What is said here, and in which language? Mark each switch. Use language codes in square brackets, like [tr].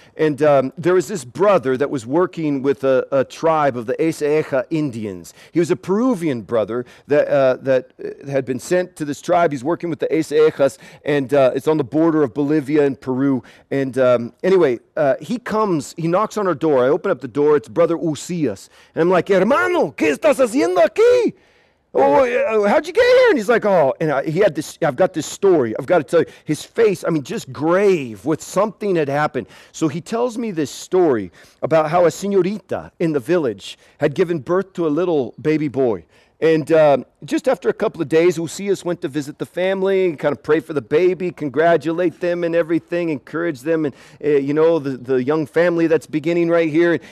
[en] And there was this brother that was working with a tribe of the Esaeja Indians. He was a Peruvian brother that had been sent to this tribe. He's working with the Esaejas, and it's on the border of Bolivia and Peru. Anyway, he comes, he knocks on our door. I open up the door, it's Brother Usias. And I'm like, [es] hermano, ¿qué estás haciendo aquí? [en] Oh, how'd you get here? And he's like, oh, and I've got this story. I've got to tell you, his face, I mean, just grave with something had happened. So he tells me this story about how a señorita in the village had given birth to a little baby boy. And just after a couple of days, Usias went to visit the family and kind of pray for the baby, congratulate them and everything, encourage them, and the young family that's beginning right here.